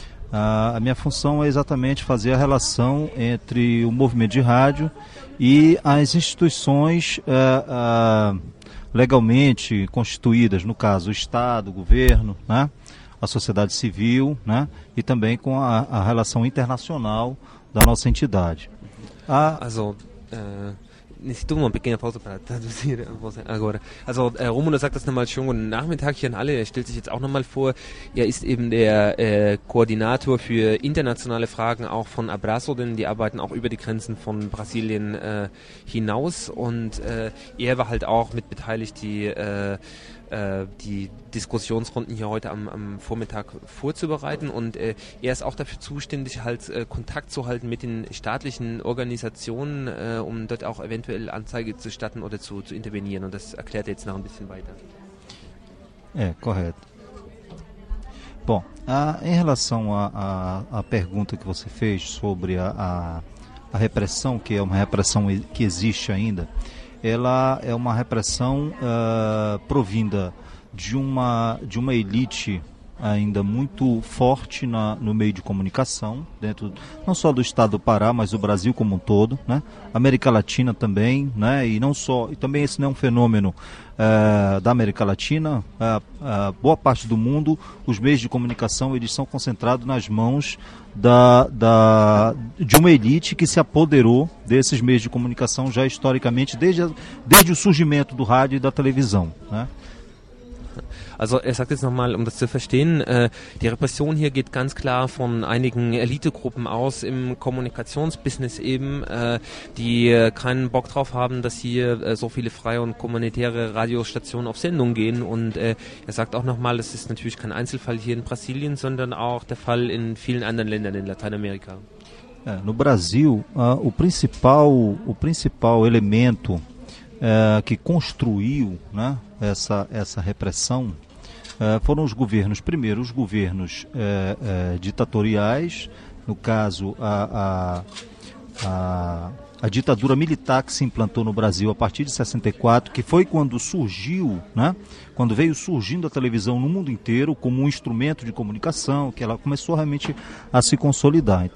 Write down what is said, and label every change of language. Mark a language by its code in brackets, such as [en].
[pt] A minha função é exatamente fazer a relação entre o movimento de rádio e as instituições legalmente constituídas, no caso, o Estado, o governo, né? A sociedade civil, né? E também com a relação internacional da nossa entidade. Azul, necessito uma pequena pausa para traduzir agora. [de] Also, Romulo sagt das nochmal schon. Guten Nachmittag hier an alle. Er stellt sich jetzt auch nochmal vor. Er ist eben der Koordinator für internationale Fragen auch von Abrazo, denn die arbeiten auch über die Grenzen von Brasilien hinaus. Und er war halt auch mit beteiligt, die Diskussionsrunden hier heute am Vormittag vorzubereiten, und er ist auch dafür zuständig, halt Kontakt zu halten mit den staatlichen Organisationen, um dort auch eventuell Anzeige zu starten oder zu intervenieren, und das erklärt er jetzt noch ein bisschen weiter. [pt] É, correto. Bom, em relação à pergunta que você fez sobre a repressão, que é uma repressão que existe ainda, ela é uma repressão provinda de uma elite ainda muito forte no meio de comunicação, dentro não só do estado do Pará, mas do Brasil como um todo, né? América Latina também, né? E não só, e também esse não é um fenômeno da América Latina. Boa parte do mundo, os meios de comunicação, eles são concentrados nas mãos de uma elite que se apoderou desses meios de comunicação já historicamente, desde o surgimento do rádio e da televisão, né? [de] Also er sagt jetzt nochmal, um das zu verstehen, die Repression hier geht ganz klar von einigen Elitegruppen aus im Kommunikationsbusiness eben, die keinen Bock drauf haben, dass hier so viele freie und kommunitäre Radiostationen auf Sendung gehen. Und er sagt auch nochmal, das ist natürlich kein Einzelfall hier in Brasilien, sondern auch der Fall in vielen anderen Ländern in Lateinamerika. [pt] No Brasil, o principal elemento que construiu, né, essa repressão foram os governos, primeiro os governos ditatoriais, no caso a ditadura militar que se implantou no Brasil a partir de 64, que foi quando surgiu, né, quando veio surgindo a televisão no mundo inteiro como um instrumento de comunicação, que ela começou realmente a se consolidar.